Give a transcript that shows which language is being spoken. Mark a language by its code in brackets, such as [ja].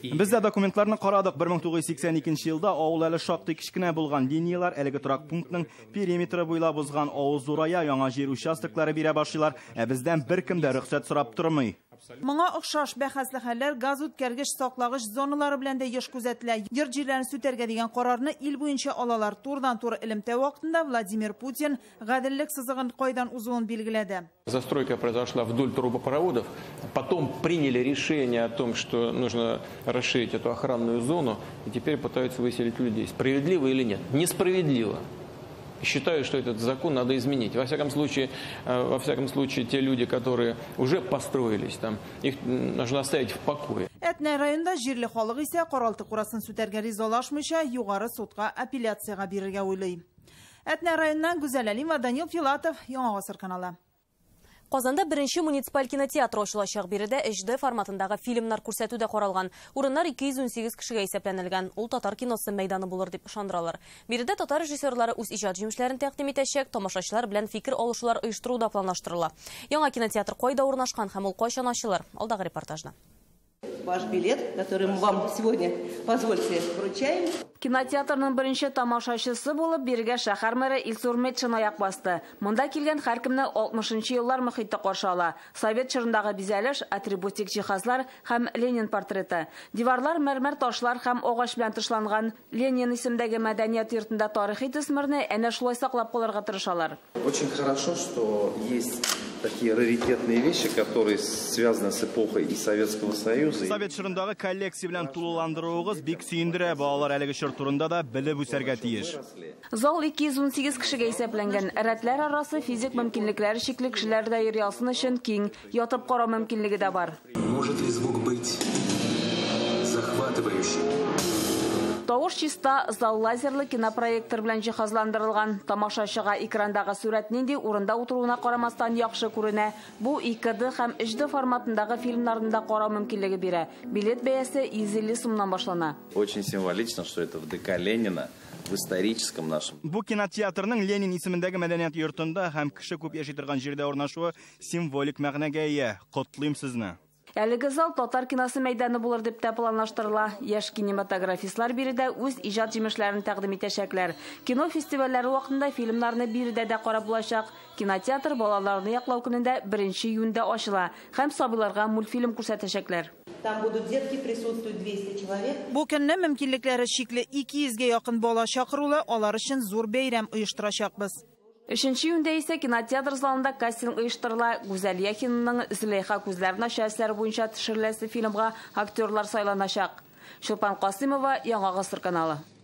[tt] Без дә документларны карадык. 1982 елда авыл әле шактый кичкенә булган, линиялар әлеге торак пунктның периметры буйлап узган авыл зурая яңа җир участоклары бирә башлыйлар. Ә бездән беркем дә рөхсәт сорап тормый. Моңа охшаш бәхәсле хәлләр газ үткәргеч саклагыч зоналары белән дә еш күзәтелә. Йорт җирләрен сүтәргә дигән карарны ил буенча алалар. Турдан-туры элемтә вакытында Владимир Путин гаделлек сызыгын кайдан узуын билгеләде. [ru] Застройка произошла вдоль трубопроводов, потом приняли решение о том, что нужно расширить эту охранную зону, и теперь пытаются выселить людей. Справедливо или нет? Несправедливо. Считаю, что этот закон надо изменить. Во всяком случае, те люди, которые уже построились там, их нужно оставить в покое. [tt] Этне районда жирли халык исе каралты курасын сүтерге ризалашмыша, югары судка апелляцияга бирерге уйлый. Этне районнан Гүзәл Әлимова, Данил Филатов, Яңа Гасыр каналы. Казанда беренче муниципаль кинотеатр ашылачак. Биредә HD форматындагы фильмнар күрсәтүдә каралган. Урыннар 218 кешегә исәпләнелгән. Ул татар киносы мәйданы булыр дип ышандыралар. Биредә татар режиссерлары үз иҗат җимешләрен тәкъдим итәчәк, тамашачылар белән фикер алышулар оештыру да планлаштырыла. Яңа кинотеатр кайда урнашкан һәм ул кайчан ачылыр? Алдагы репортажны. [ru] Ваш билет, который мы вам сегодня позвольте вручаем. [tt] Кинотеатрның беренче тамашачысы булып бергә шәһәр мәре Илсур Метшин аяк басты. Монда килгән һәр кемне 60-нчы еллар мохитте каршы ала. Совет чорындагы бизәлеш, атрибутик җиһазлар һәм Ленин портреты. Диварлар мәрмәр ташлар һәм агач белән тышланган. Ленин исемдәге мәдәният йортында тарихи төсмерне әнә шулай саклап калырга тырышалар. [ru] Очень хорошо, что есть такие раритетные вещи, которые связаны с эпохой и Советского Союза. [tt] Совет чорындагы коллекция белән тулыландыруыгыз бик сөендерә, балалар әлеге чор турында да белеп үсәргә тиеш. Зал 218 кешегә исәпләнгән. Рәтләр арасы физик мөмкинлекләре шикле кешеләр дә йөри алсын өчен киң, ятып карау мөмкинлеге дә бар. [ru] Может ли звук быть захватывающим? [tt] Тауыш чиста, зал лазерлы кинопроектор белән җиһазландырылган. Тамашачыга экрандагы сурәт нинди урында утыруына карамастан яхшы күренә. Бу 2D һәм 3D форматындагы фильмнарында карау мөмкинлеге бирә. Билет бәясе 150 сумнан башлана. [ru] Очень символично, что это в ДК Ленина. В историческом нашем. [tt] Бу кинотеатрның Ленин исемендәге мәдәният йортында һәм кеше күп яши торган җирдә урнашуы символик мәгънәгә ия. Котлыйм сезне. Әлеге зал татар киносы мәйданы булыр дип тә планлаштырыла. Яш кинематографистлар биредә үз иҗат җимешләрен тәкъдим итәчәкләр. Кино фестивальләре вакытында фильмнарны биредә дә карап булачак. Кинотеатр балаларны яклау көнендә 1 июньдә ачыла һәм сабыйларга мультфильм күрсәтәчәкләр. [ru] Там будут детки, присутствуют 200 человек. [tt] Бу көнне мөмкинлекләре шикле 200-гә якын бала чакырулы, алар өчен зур бәйрәм оештырачакбыз. 3-нче июньдә исә кинотеатр залында кастинг оештырыла. Гүзәл Яхинның «Зөләйха күзләренә шәһәрләре» буенча төшерләсе фильмга актерлар сайланачак. Шолпан Касымова, Яңа Гасыр каналы.